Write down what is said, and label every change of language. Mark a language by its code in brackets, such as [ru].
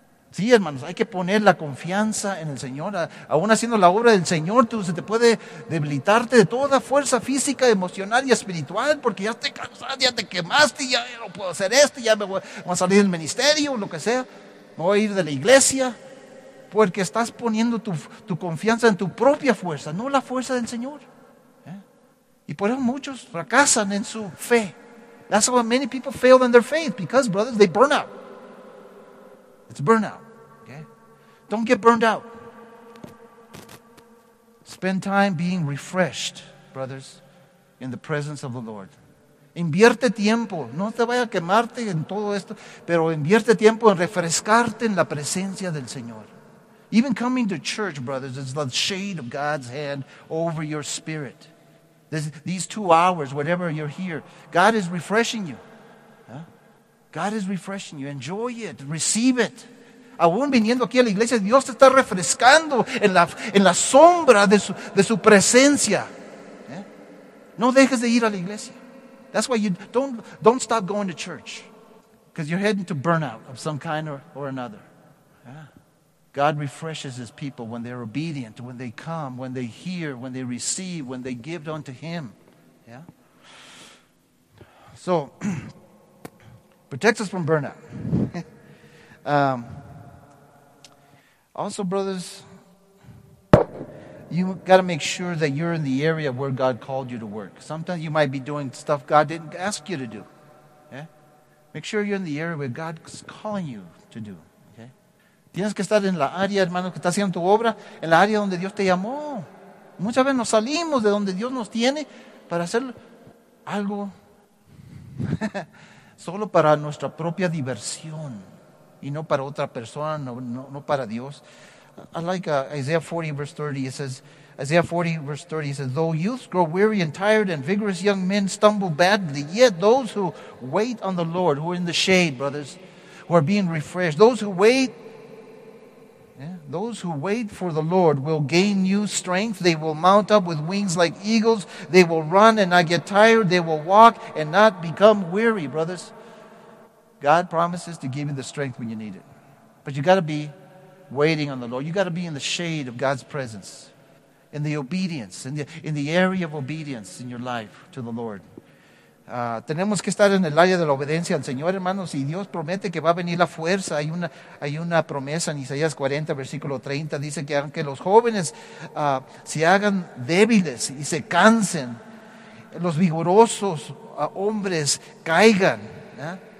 [es] Sí, hermanos, hay que poner la confianza en el Señor. Aún haciendo la obra del Señor, tú se te puede debilitarte de toda fuerza física, emocional y espiritual, porque ya estoy cansado, ya te quemaste, ya no puedo hacer esto, ya me voy a salir del ministerio, lo que sea, me voy a ir de la iglesia, porque estás poniendo tu confianza en tu propia fuerza, no la fuerza del Señor. ¿Eh? Y por eso muchos fracasan en su fe. [en] That's why many people fail in their faith, because, brothers, they burn out. It's burnout, okay? Don't get burned out. Spend time being refreshed, brothers, in the presence of the Lord. [es] Invierte tiempo. No te vaya a quemarte en todo esto, pero invierte tiempo en refrescarte en la presencia del Señor. [en] Even coming to church, brothers, is the shade of God's hand over your spirit. These 2 hours, whatever you're here, God is refreshing you. God is refreshing you. Enjoy it. Receive it. [es] Aún viniendo aquí a la iglesia, Dios te está refrescando en la sombra de su presencia. ¿Eh? No dejes de ir a la iglesia. [en] That's why you don't stop going to church. Because you're heading to burnout of some kind or another. Yeah. God refreshes his people when they're obedient, when they come, when they hear, when they receive, when they give unto him. Yeah. So, protects us from burnout. Also, brothers, you got to make sure that you're in the area where God called you to work. Sometimes you might be doing stuff God didn't ask you to do. Yeah? Make sure you're in the area where God's calling you to do. Okay? [es] Tienes que estar en la área, hermano, que está haciendo tu obra, en la área donde Dios te llamó. Muchas veces nos salimos de donde Dios nos tiene para hacer algo solo para nuestra propia diversión y no para otra persona, no para Dios. [en] I like Isaiah 40 verse 30. It says, Isaiah 40 verse 30, it says, though youths grow weary and tired and vigorous young men stumble badly, yet those who wait on the Lord, who are in the shade, brothers, who are being refreshed, those who wait for the Lord will gain new strength. They will mount up with wings like eagles. They will run and not get tired. They will walk and not become weary, brothers. God promises to give you the strength when you need it. But you got to be waiting on the Lord. You got to be in the shade of God's presence, in the obedience, in the area of obedience in your life to the Lord. [es] Tenemos que estar en el área de la obediencia al Señor, hermanos, y Dios promete que va a venir la fuerza. Hay una promesa en Isaías 40, versículo 30, dice que aunque los jóvenes se hagan débiles y se cansen, los vigorosos hombres caigan, ¿eh?